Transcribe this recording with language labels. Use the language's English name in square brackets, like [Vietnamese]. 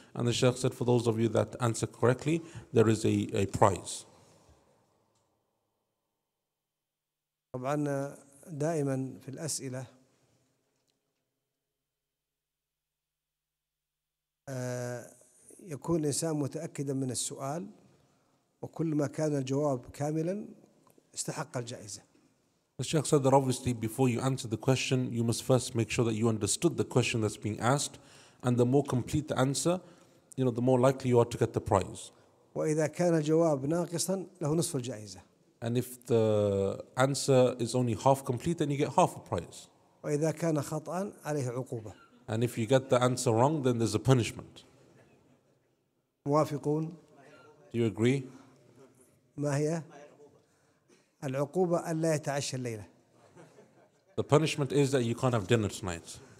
[English] And the Shaykh said, for those of you that answer correctly, there is a prize. [Arabic] طبعاً دائما في الأسئلة يكون الإنسان متأكدا من السؤال وكلما كان الجواب كاملا استحق الجائزة. [English] The Shaykh said that obviously before you answer the question you must first make sure that you understood the question that's being asked and the more complete the answer you know the more likely you are to get the prize. [Arabic] وإذا كان الجواب ناقصا له نصف الجائزة. [English] And if the answer is only half complete, then you get half a prize. [Arabic] وإذا كان خطأً عليه عقوبة. [English] And if you get the answer wrong, then there's a punishment. [Arabic] موافقون. [English] Do you agree? [Arabic] ما هي؟ العقوبة ألا يتعشى الليلة. [English] The punishment is that you can't have dinner tonight.